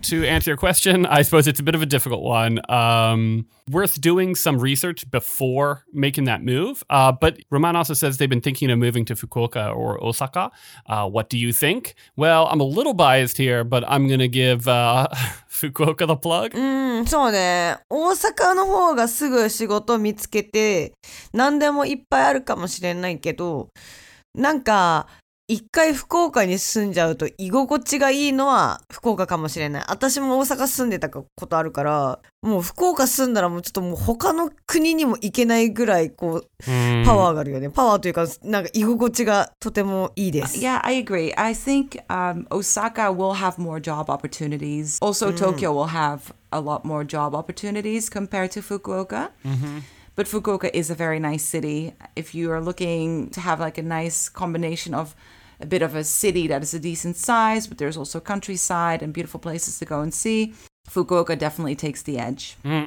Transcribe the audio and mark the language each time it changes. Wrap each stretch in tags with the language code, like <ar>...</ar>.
<en>To answer your question, I suppose it's a bit of a difficult one. Worth doing some research before making that move. But Roman also says they've been thinking of moving to Fukuoka or Osaka. What do you think? Well, I'm a little biased here, but I'm going to give Fukuoka the plug.</en> <ja>そうね。 Osaka の方がすぐ仕事見つけて、何でもいっぱいあるかもしれないけど、なんか一回福岡に住んじゃうと居心地がいいのは福岡かもしれない。私も大阪住んでたことあるから、もう福岡住んだらもうちょっともう他の国にも行けないぐらいこうパワーがあるよね。パワーというかなんか居心地がとてもいいです。</ja> <en>Yeah, I agree. I think Osaka will have more job opportunities. Also Tokyo will have a lot more job opportunities compared to Fukuoka. But Fukuoka is a very nice city. If you are looking to have like a nice combination of a bit of a city that is a decent size, but there's also countryside and beautiful places to go and see, Fukuoka definitely takes the edge.</en>